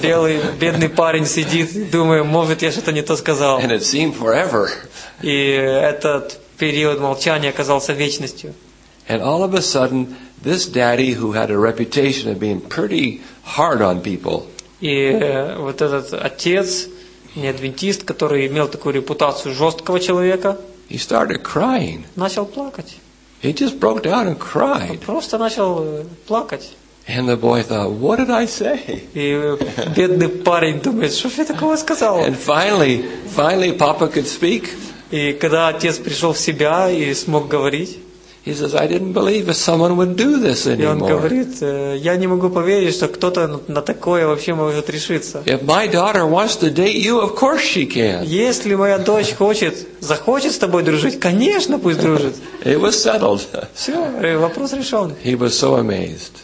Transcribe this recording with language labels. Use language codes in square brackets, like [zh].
[ru] Белый бедный парень сидит, думая, может, я что-то не то сказал. [en] And it seemed forever. [ru] И этот период молчания оказался вечностью. [en] And all of a sudden, this daddy who had a reputation of being pretty hard on people. [ru] И вот этот отец, неадвентист, который имел такую репутацию жесткого человека. [en] He started crying. [ru] Начал плакать. [en] He just broke down and cried. [ru] Просто начал плакать. [en] And the boy thought, "What did I say?" [ru] И бедный парень думает, что я такого сказал. [en] And finally, Papa could speak. [ru] И когда отец пришел в себя и смог говорить. [en] He says, "I didn't believe that someone would do this anymore." [ru] И он говорит, я не могу поверить, что кто-то на такое вообще может решиться. [en] If my daughter wants to date you, of course she can. [ru] Если моя дочь хочет, захочет с тобой дружить, конечно, пусть дружит. [en] It was settled. [ru] Все, вопрос решен. [en] He was so amazed.